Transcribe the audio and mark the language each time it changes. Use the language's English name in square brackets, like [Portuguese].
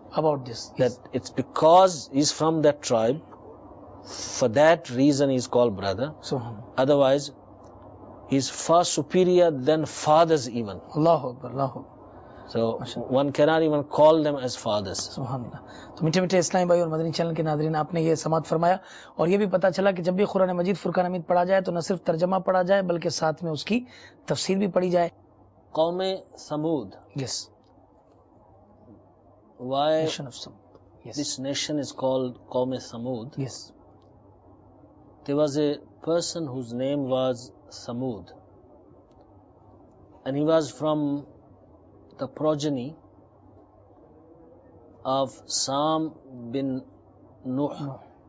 [English] about this, that yes. It's because he's from that tribe, for that reason he's called brother. Otherwise he's far superior than fathers even. Allahu Akbar, Allahu Akbar. So one cannot even call them as fathers. Subhanallah. [Urdu] تو میٹھے میٹھے اسلامی بھائی اور مدنی channel کے ناظرین آپ نے یہ سماعت فرمایا اور یہ بھی پتا چلا کہ جب بھی قرآن مجید فرقان حمید پڑھا جائے تو نہ صرف ترجمہ پڑھا جائے بلکہ ساتھ میں اس کی تفسیر بھی پڑھی جائے. قوم ثمود. [English] Yes. Why nation of ثمود. Yes. This nation is called قوم ثمود. Yes. There was a person whose name was ثمود and he was from the progeny of Sam bin Nuh.